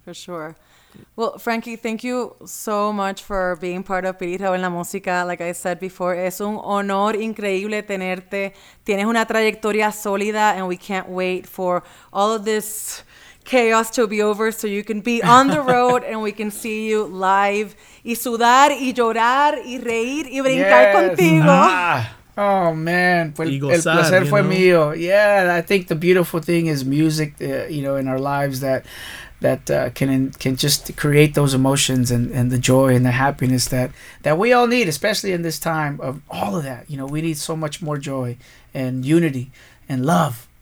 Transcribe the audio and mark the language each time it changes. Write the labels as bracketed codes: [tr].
[en] For sure. Well, Frankie, thank you so much for being part of Pirito en la Música. Like I said before, [es] es un honor increíble tenerte. Tienes una trayectoria sólida, [en] and we can't wait for all of this chaos to be over, so you can be on the road and we can see you live. [es] Y sudar, y llorar, y reír, y brincar contigo. Ah. [en] Oh man, [es] el placer fue mío. [en] Yeah, I think the beautiful thing is music, you know, in our lives that can just create those emotions and the joy and the happiness that we all need, especially in this time of all of that. You know, we need so much more joy and unity and love.